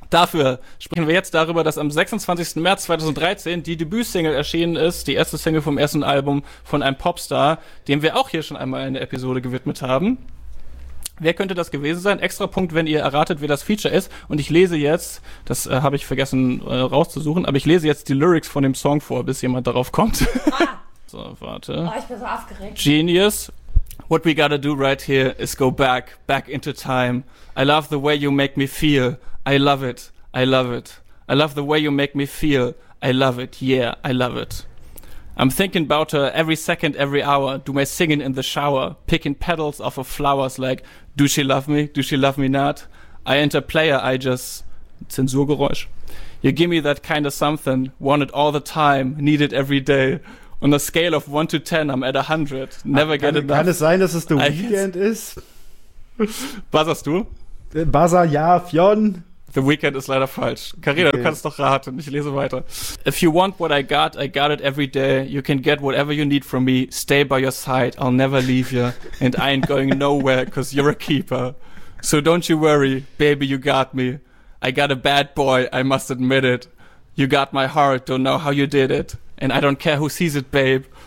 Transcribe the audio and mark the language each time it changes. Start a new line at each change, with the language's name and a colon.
German: Dafür sprechen wir jetzt darüber, dass am 26. März 2013 die Debütsingle erschienen ist, die erste Single vom ersten Album von einem Popstar, dem wir auch hier schon einmal eine Episode gewidmet haben. Wer könnte das gewesen sein? Extra Punkt, wenn ihr erratet, wer das Feature ist. Und ich lese jetzt, das habe ich vergessen rauszusuchen, aber ich lese jetzt die Lyrics von dem Song vor, bis jemand darauf kommt. Ah. So, warte. Oh, ich bin so aufgeregt. Genius.
English: What we gotta do right here is go back, back into time. I love the way you make me feel. I love it. I love it. I love the way you make me feel. I love it. Yeah, I love it. I'm thinking about her every second, every hour. Do my singing in the shower. Picking petals off of flowers like, do she love me? Do she love me not? I enter player, I just... Zensurgeräusch. You give me that kind of something. Want it all the time. Need it every day. On a scale of 1 to 10, I'm at 100. Never get enough.
German: Kann es sein, dass es The Weeknd ist? Buzzerst du? Buzzer, ja, Fionn. The Weeknd ist leider falsch. Carina, okay. Du kannst doch raten. Ich lese weiter.
English: If you want what I got it every day. You can get whatever you need from me. Stay by your side. I'll never leave you. And I ain't going nowhere, because you're a keeper. So don't you worry, baby, you got me. I got a bad boy, I must admit it. You got my heart, don't know how you did it. And I don't care who sees it, babe.